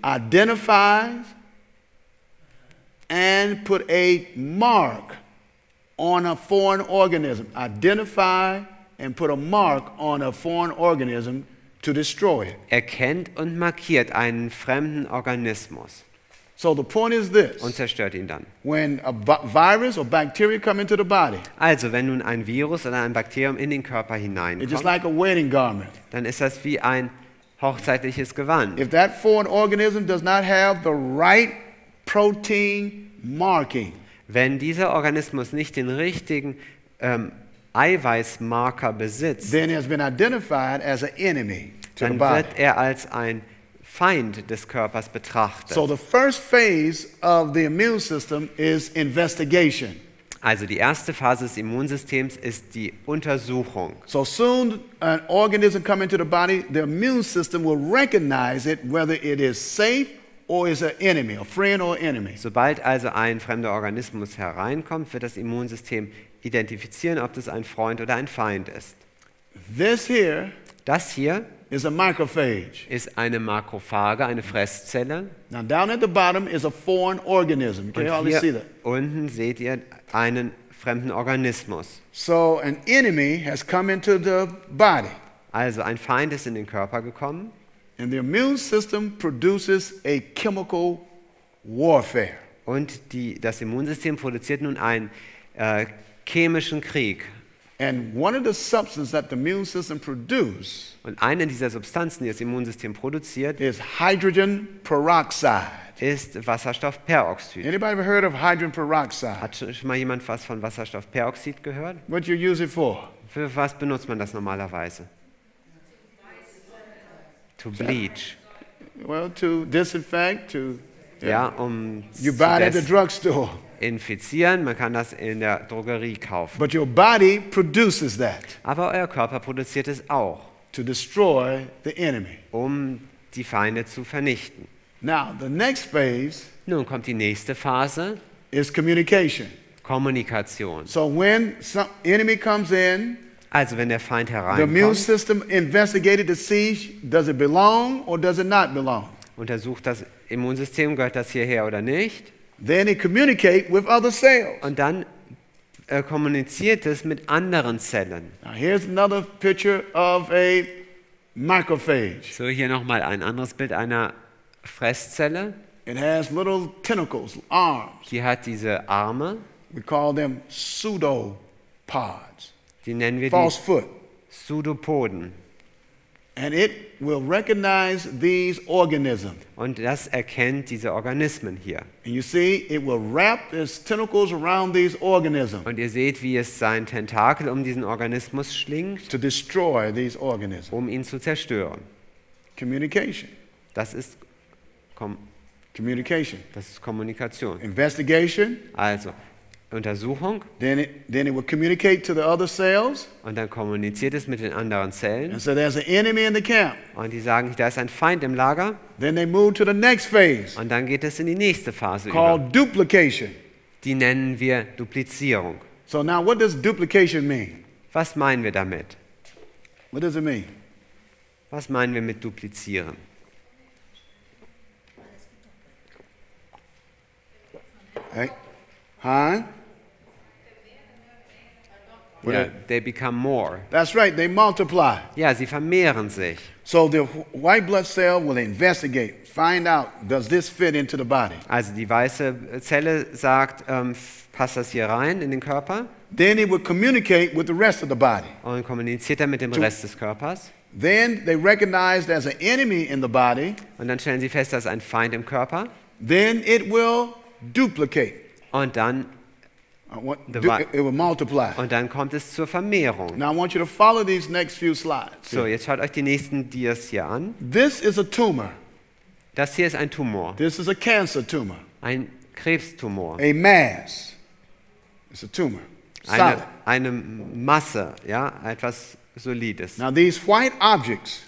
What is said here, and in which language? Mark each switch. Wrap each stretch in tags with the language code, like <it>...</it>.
<en>identifies and put a mark on a foreign organism. Identify and put a mark on a foreign organism to destroy it.</en> <de>Erkennt und markiert einen fremden Organismus.</de> <en>So the point is this.</en> <de>Und zerstört ihn dann.</de> <en>When a virus or bacteria come into the body.</en> <de>Also, wenn nun ein Virus oder ein Bakterium in den Körper hineinkommt.</de> <en>It's just like a wedding garment.</en> <de>Dann ist das wie ein hochzeitliches Gewand.</de> <en>If that foreign organism does not have the right protein marking.</en> <de>Wenn dieser Organismus nicht den richtigen Eiweißmarker besitzt.</de> <en>Then he has been identified as an enemy to the body.</en> <de>Dann wird er als ein Feind des Körpers betrachtet.</de> <en>So the first phase of the immune system is investigation.</en> <de>Also die erste Phase des Immunsystems ist die Untersuchung.</de> <en>So soon an organism come into the body, the immune system will recognize it, whether it is safe or is an enemy, a friend or enemy.</en> <de>Sobald also ein fremder Organismus hereinkommt, wird das Immunsystem identifizieren, ob das ein Freund oder ein Feind ist.</de> <en>This here,</en> <de>das hier</de> <en>is a macrophage.</en> <de>Ist eine Makrophage, eine Fresszelle.</de> <en>Now down at the bottom is a foreign organism. Can you always see that?</en> <de>Unten seht ihr einen fremden Organismus.</de> <en>So an enemy has come into the body.</en> <de>Also ein Feind ist in den Körper gekommen.</de> <en>And the immune system produces a chemical warfare.</en> <de>Und das Immunsystem produziert nun einen chemischen Krieg.</de> <en>And one of the substances that the immune system produces,</en> <de>und eine dieser Substanzen, die das Immunsystem produziert,</de> <en>is hydrogen peroxide.</en> <de>Ist Wasserstoffperoxid.</de> <en>Anybody ever heard of hydrogen peroxide?</en> <de>Hat schon mal jemand was von Wasserstoffperoxid gehört?</de> <en>What you use it for?</en> <de>Für was benutzt man das normalerweise?</de> <en>To bleach. Well, to disinfect, to you buy it at the drugstore.</en> <de>Infizieren, man kann das in der Drogerie kaufen.</de> <en>But your body produces that.</en> <de>Aber euer Körper produziert es auch.</de> <en>To destroy the enemy.</en> <de>Um die Feinde zu vernichten.</de> <en>Now, the next phase.</en> <de>Nun kommt die nächste Phase.</de> <en>Is communication.</en> <de>Kommunikation.</de> <en>So when some enemy comes in,</en> <de>also wenn der Feind hereinkommt,</de> <en>the immune system investigated the siege, does it belong or does it not belong?</en> <de>Untersucht das Immunsystem, gehört das hierher oder nicht?</de> <en>Then it communicate with other cells.</en> <de>Und dann kommuniziert es mit anderen Zellen.</de> <en>Now here's another picture of a macrophage.</en> <de>So hier nochmal ein anderes Bild einer Fresszelle.</de> <en>It has little tentacles, arms.</en> <de>Die hat diese Arme.</de> <en>We call them pseudopods.</en> <de>Die nennen wir</de> <en>false foot.</en> <de>Pseudopoden.</de> <en>And it will recognize these organisms.</en> <de>Und das erkennt diese Organismen hier.</de> <en>And you see, it will wrap its tentacles around these organisms.</en> <de>Und ihr seht, wie es sein Tentakel um diesen Organismus schlingt.</de> <en>To destroy these organisms.</en> <de>Um ihn zu zerstören.</de> <en>Communication.</en> <de>Das ist</de> <en>Communication.</en> <de>Das ist Kommunikation.</de> <en>Investigation.</en> <de>Also Untersuchung.</de> <en>Then it will communicate to the other cells.</en> <de>Und dann kommuniziert es mit den anderen Zellen.</de> <en>And so there's an enemy in the camp.</en> <de>Und die sagen, da ist ein Feind im Lager.</de> <en>Then they move to the next phase.</en> <de>Und dann geht es in die nächste Phase über.</de> <en>Called duplication.</en> <de>Die nennen wir Duplizierung.</de> <en>So now what does duplication mean?</en> <de>Was meinen wir damit?</de> <en>What does it mean?</en> <de>Was meinen wir mit duplizieren? Hey.</de> <en>Yeah, they become more. That's right, they multiply.</en> <de>Ja, sie vermehren sich.</de> <en>So the white blood cell will investigate, find out, does this fit into the body?</en> <de>Also die weiße Zelle sagt, passt das hier rein in den Körper?</de> <en>Then it will communicate with the rest of the body.</en> <de>Und kommuniziert dann mit dem Rest des Körpers.</de> <en>Then they recognize there's an enemy in the body.</en> <de>Und dann stellen sie fest, dass ein Feind im Körper.</de> <en>Then it will duplicate.</en> <de>Und dann</de> <en>it will multiply.</en> <de>Und dann kommt es zur Vermehrung.</de> <en>Now I want you to follow these next few slides.</en> <de>So, jetzt schaut euch die nächsten Dias hier an.</de> <en>This is a tumor.</en> <de>Das hier ist ein Tumor.</de> <en>This is a cancer tumor.</en> <de>Ein Krebstumor.</de> <en>A mass. It's a tumor.</en> <de>Eine Masse, ja, etwas solides.</de> <en>Now these white objects.</en>